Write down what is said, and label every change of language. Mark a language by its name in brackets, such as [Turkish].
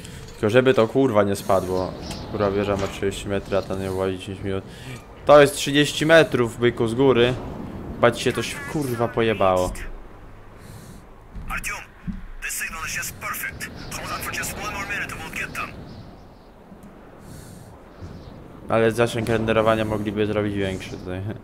[Polish] Tylko żeby to kurwa nie spadło. Kurwa, wieża ma 30 metrów, a ta nie była 10 minut. To jest 30 metrów, byku, z góry. Chyba ci się to się kurwa pojebało. Artyom, ten sygnał jest [English] just perfect. Hold on for just one more minute and we'll get them. [Polish] Ale zasięg renderowania mogliby zrobić większy tutaj.